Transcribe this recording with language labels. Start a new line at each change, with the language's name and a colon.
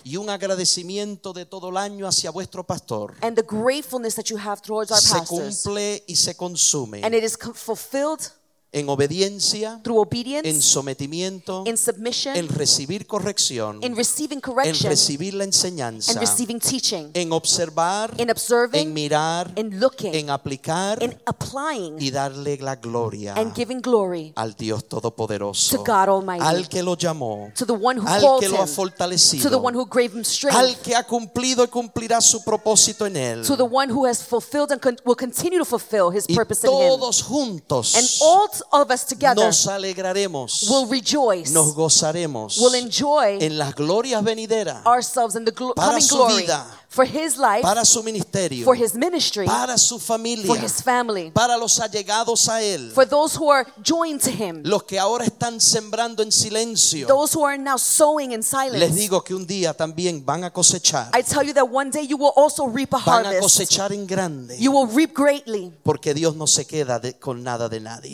Spanish: y un agradecimiento de todo el año hacia vuestro pastor,
English: and the gratefulness that you have towards our pastors,
Spanish: se cumple y se consume,
English: and it is fulfilled
Spanish: en obediencia,
English: through obedience,
Spanish: en sometimiento,
English: in submission,
Spanish: en recibir corrección,
English: in receiving correction,
Spanish: en recibir la enseñanza,
English: and receiving teaching,
Spanish: en observar,
English: in observing,
Spanish: en mirar,
English: in looking,
Spanish: en aplicar,
English: in applying,
Spanish: y darle la gloria,
English: and giving glory,
Spanish: al Dios Todopoderoso,
English: to God Almighty,
Spanish: al que lo llamó,
English: to the one who
Spanish: al
English: called
Spanish: que lo
English: him,
Spanish: ha fortalecido,
English: to the one who gave him strength,
Spanish: al que ha cumplido y cumplirá su propósito en él,
English: to the one who has fulfilled and will continue to fulfill his purpose in him,
Spanish: y todos juntos,
English: and all of us together,
Spanish: nos alegraremos,
English: will rejoice,
Spanish: nos gozaremos,
English: will enjoy
Spanish: en las glorias venideras,
English: ourselves in the coming glory,
Spanish: vida,
English: for his life,
Spanish: para su ministerio,
English: for his ministry,
Spanish: para su familia,
English: for his family,
Spanish: para los allegados a él,
English: for those who are joined to him,
Spanish: los que ahora están sembrando en silencio,
English: those who are now sowing in silence.
Spanish: Les digo que un día también van a cosechar.
English: I tell you that one day you will also reap a harvest.
Spanish: Van a cosechar en grande.
English: You will reap greatly.
Spanish: Porque Dios no se queda con nada de nadie.